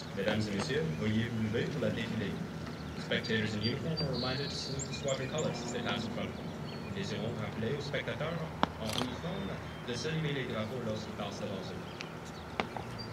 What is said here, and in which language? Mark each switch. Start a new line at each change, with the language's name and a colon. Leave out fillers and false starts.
French: Mesdames et messieurs, veuillez vous lever pour la défilée.
English: Spectators in uniform are reminded to salute the squadron colors as they pass in front of them.
French: Désirons rappeler aux spectateurs en uniforme de saluer les drapeaux lorsqu'ils passent devant eux.